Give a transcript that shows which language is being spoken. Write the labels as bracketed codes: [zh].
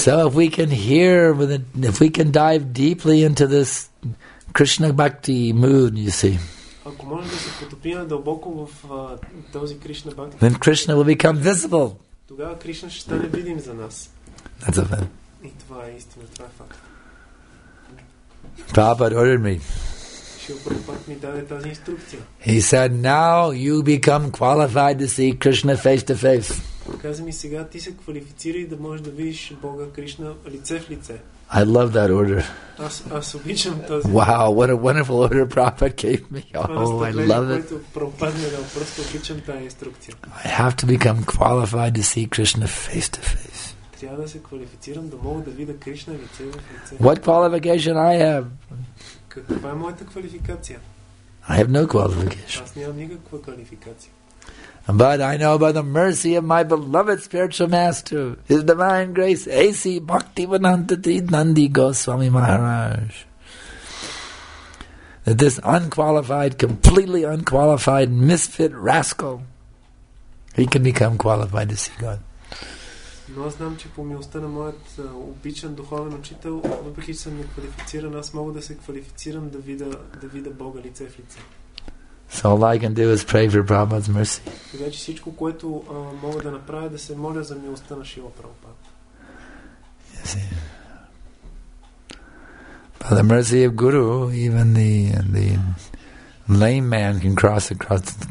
[en] So if we can hear, if we can dive deeply into this Krishna bhakti mood, you see. [bg] Ако можем да се потопиме дълбоко в този Кришна бхакти, [en] then Krishna will become visible. [bg] Тогава Кришна ще стане видим за нас. [en] That's a fact. [bg] И това е истина, това е факт. [en] Prabhupada ordered me. [bg] Шрила Прабхупада ми даде тази инструкция. [en] He said, now you become qualified to see Krishna face to face. [bg] Каза ми, сега ти се квалифицирай да можеш да видиш Бога Кришна лице в лице. [en] I love that order. [bg] Аз обичам този. [en] Wow, what a wonderful order Prabhupada gave me. Oh, I love it. [bg] Просто обичам тази инструкция. [en] I have to become qualified to see Krishna face to face. [bg] Трябва да се квалифицирам да мога да видя Кришна лице в лице. [en] What qualification I have? [bg] Каква е моята квалификация? [en] I have no qualification. [bg] Аз нямам никаква квалификация. [en] But I know by the mercy of my beloved spiritual master, His Divine Grace, A.C. Bhaktivedanta Nandi Goswami Maharaj, that this unqualified, completely unqualified, misfit rascal, he can become qualified to see God. [bg] Но аз знам, че по милостта на моят обичан духовен учител, въпреки че съм неквалифициран, аз мога да се квалифицирам да видя Бога лице в лице. [en] So all I can do is pray for Prabhupada's mercy. [bg] Значи всичко, което мога да направя, да се моля за милостта на Шрила Прабхупада. [en] By the mercy of Guru, even the lame man can cross across.